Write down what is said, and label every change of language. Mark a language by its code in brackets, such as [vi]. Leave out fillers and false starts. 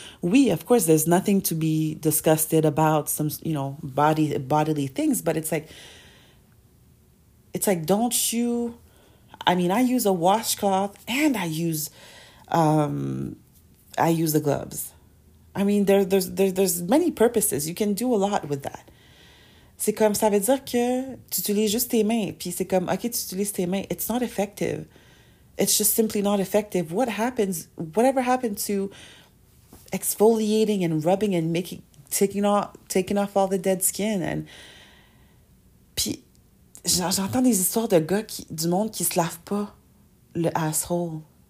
[fr] Oui, [en] of course, there's nothing to be disgusted about some, you know, bodily things, but it's like, don't you, I mean, I use a washcloth and I use the gloves. I mean, there's many purposes. You can do a lot with that. [fr] C'est comme, ça veut dire que tu utilises juste tes mains. Puis c'est comme, OK, tu utilises tes mains. [en] It's not effective. It's just simply not effective. What happens, whatever happened to exfoliating and rubbing and making, taking off all the dead skin? [fr] And puis, j'entends des histoires de gars, du monde qui se lave pas le asshole.